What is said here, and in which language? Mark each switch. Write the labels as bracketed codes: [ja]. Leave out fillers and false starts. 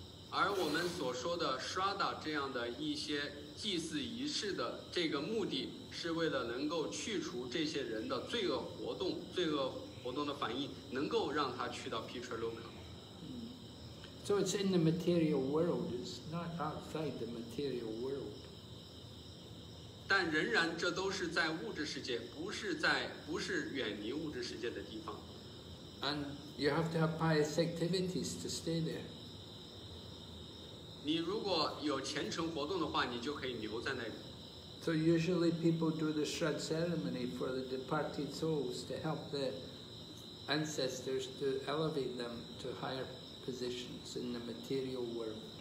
[zh] 而我们所说的 Shraddha 这样的一些祭祀仪式的这个目的是为了能够去除这些人的罪恶活动的反应，能够让他去到 Pitraloka。 [en] So it's in the material world, it's not outside the material world. [zh] 但仍然这都是在物质世界，不是远离物质世界的地方。 [en] And you have to have pious activities to stay there. [zh] 你如果有虔诚活动的话，你就可以留在那里。 [en] So usually people do the Shraddha ceremony for the departed souls to help the ancestors to elevate them to higher positions in the material world.